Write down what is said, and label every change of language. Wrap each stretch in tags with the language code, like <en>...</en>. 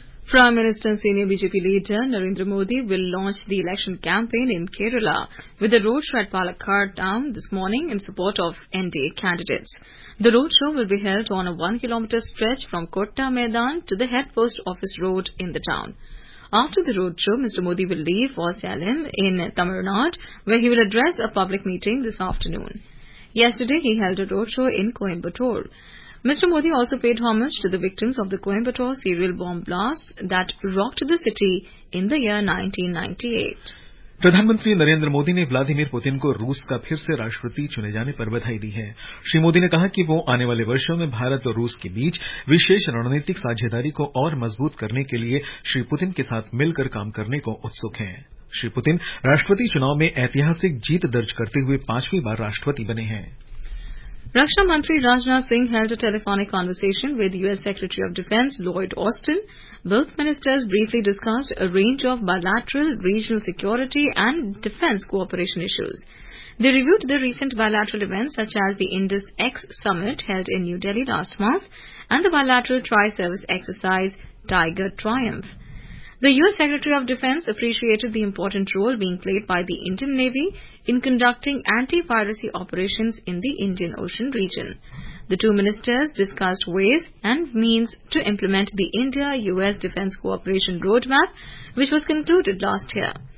<en>Prime minister and senior BJP leader Narendra Modi will launch the election campaign in Kerala with a road show at Palakkad town this morning in support of NDA candidates. The road show will be held on a 1 kilometre stretch from Kotta Maidan to the head post office road in the town. After the road show, Mr. Modi will leave for Salem in Tamil Nadu, where he will address a public meeting this afternoon. Yesterday, he held a road show in Coimbatore. Mr. Modi also paid homage to the victims of the Coimbatore serial bomb blast that rocked the city in the year 1998.</en> <hi>प्रधानमंत्री नरेंद्र मोदी ने Vladimir Putin को रूस का फिर से राष्ट्रपति चुने जाने पर बधाई दी है। श्री मोदी ने कहा कि वो आने वाले वर्षों में भारत और रूस के बीच विशेष रणनीतिक साझेदारी को और मजबूत करने के लिए श्री पुतिन के साथ मिलकर काम करने को उत्सुक हैं। श्री पुतिन राष्ट्रपति चुनाव में ऐतिहासिक जीत दर्ज करते हुए 5वीं बार राष्ट्रपति बने हैं। रक्षा मंत्री</hi> <en>Rajnath Singh held a telephonic conversation with US secretary of defence Lloyd Austin. Both ministers briefly discussed a range of bilateral regional security and defence cooperation issues. They reviewed the recent bilateral events such as the Indus X summit held in new Delhi last month and the bilateral tri service exercise Tiger Triumph. The U.S. Secretary of Defense appreciated the important role being played by the Indian Navy in conducting anti-piracy operations in the Indian Ocean region. The two ministers discussed ways and means to implement the India-US Defense Cooperation Roadmap, which was concluded last year.</en>